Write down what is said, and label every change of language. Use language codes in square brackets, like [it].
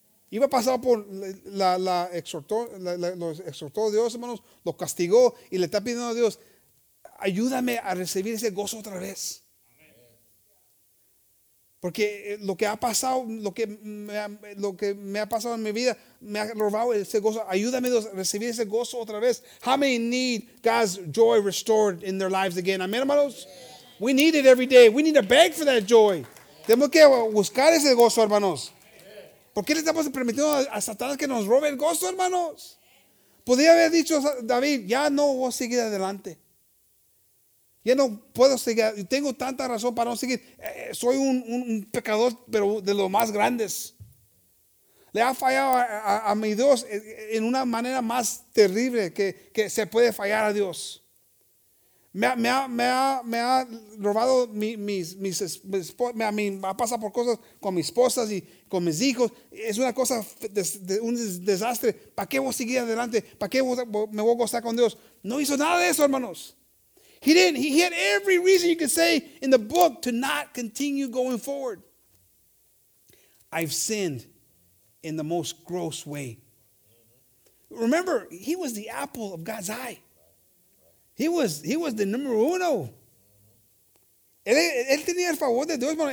[es] Iba a pasar por los exhortó Dios, hermanos, lo castigó y le está pidiendo a Dios, ayúdame a recibir ese gozo otra vez. Porque lo que ha pasado, lo que me ha pasado en mi vida, me ha robado ese gozo. Ayúdame a recibir ese gozo otra vez. [en] How many need God's joy restored in their lives again? Amén, hermanos. We need it every day. We need to beg for that joy. [es] Tenemos que buscar ese gozo, hermanos. ¿Por qué le estamos permitiendo a Satanás que nos robe el gozo, hermanos? Podría haber dicho David, ya no voy a seguir adelante. Ya no puedo seguir. Tengo tanta razón para no seguir. Soy un pecador, pero de los más grandes. Le ha fallado a mi Dios en una manera más terrible que se puede fallar a Dios. Me ha robado ha pasado por cosas con mis esposas y con mis hijos. Es una cosa, un desastre. ¿Para qué voy a seguir adelante? ¿Para qué me voy a gozar con Dios? No hizo nada de eso, hermanos. [en] He didn't. He had every reason you could say in the book to not continue going forward. I've sinned in the most gross way. Remember, he was the apple of God's eye. He was the number uno. [es] Él tenía el favor de Dios, hermano.